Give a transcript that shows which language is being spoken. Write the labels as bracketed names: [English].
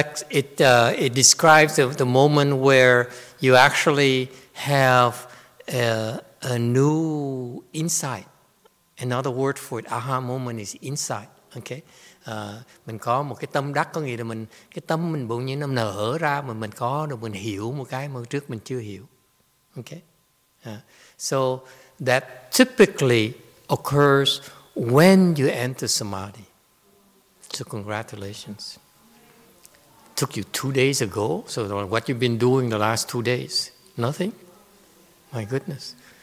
[English] It describes the moment where you actually have a new insight. Another word for it, aha moment, is insight. [Vietnamese] Okay, mình có một cái tâm đắc, có nghĩa là mình cái tâm mình bỗng nhiên nó nở ra, mình có được, mình hiểu một cái mà trước mình chưa hiểu. [English] Okay, so that typically occurs when you enter samadhi. So congratulations. Took you 2 days ago. So what you've been doing the last 2 days? Nothing. My goodness.